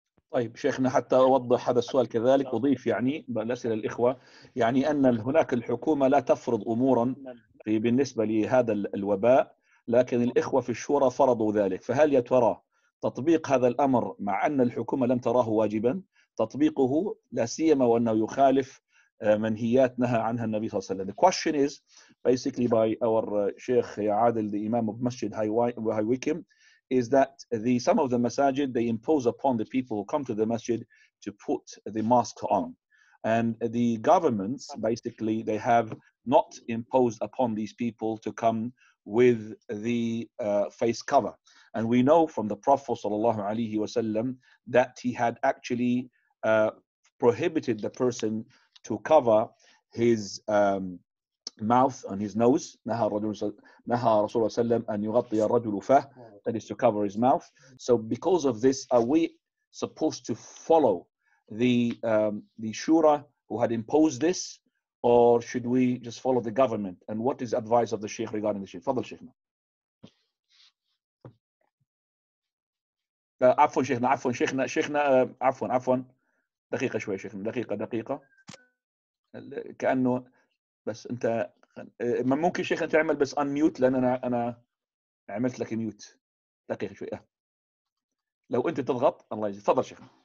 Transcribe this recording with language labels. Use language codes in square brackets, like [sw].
[ar] طيب شيخنا حتى أوضح هذا السؤال كذلك أضيف يعني بالأسئلة الإخوة يعني أن هناك الحكومة لا تفرض أمورا في بالنسبة لهذا الوباء، لكن الإخوة في الشورى فرضوا ذلك، فهل يا ترى تطبيق هذا الأمر مع أن الحكومة لم تراه واجبا تطبيقه، لا سيما وأنه يخالف منهيات نهى عنها النبي صلى الله عليه وسلم؟ [en] The question is basically by our sheikh Adil the Imam of Masjid High Wickham is that the some of the masajid, they impose upon the people who come to the masjid to put the mask on. And the governments, basically, they have not imposed upon these people to come with the face cover. And we know from the Prophet sallallahu alaihi wasallam that he had actually prohibited the person to cover his mouth and his nose. [ar] نهى رسول الله صلى الله عليه وسلم أن يغطي الرجل فه, [en] that is to cover his mouth. So because of this, are we supposed to follow the shura who had imposed this, or should we just follow the government? And what is advice of the sheikh regarding the sheikh? [ar] Fadl sheikhna. عفون شيخنا عفون شيخنا شيخنا عفون عفون دقيقة شوي شيخنا دقيقة دقيقة كأنه بس انت ما ممكن شيخ انت تعمل بس unmute لان انا عملت لك ميوت دقيقه شويه لو انت تضغط الله يجزاك تفضل شيخ